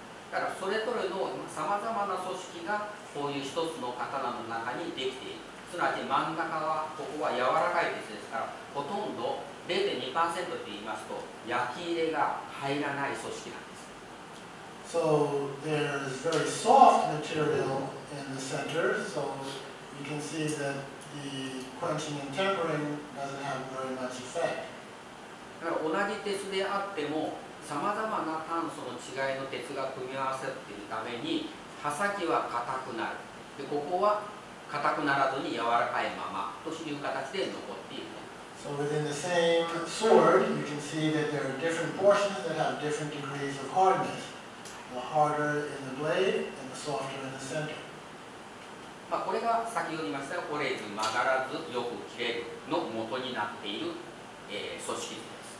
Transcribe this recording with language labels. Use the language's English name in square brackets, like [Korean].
[Japanese] だからそれぞれのさまざまな組織がこういう一つの刀の中にできている。すなわち真ん中はここは柔らかいですから、ほとんど 0.2% と言いますと焼き入れが入らない組織なんです。 [English] So there's very soft material in the center, so you can see that the quenching and tempering doesn't have very much effect. [Japanese] だから同じ鉄であっても、さまざまな炭素の違いの鉄が組み合わせているために、刃先は硬くなる。で、ここは硬くならずに柔らかいままという形で残っている。 [English] So within the same sword, you can see that there are different portions that have different degrees of hardness. The harder in the blade and the softer in the center. [Japanese] まあ、これが先ほど言いました、折れず曲がらずよく切れるの元になっている、組織です。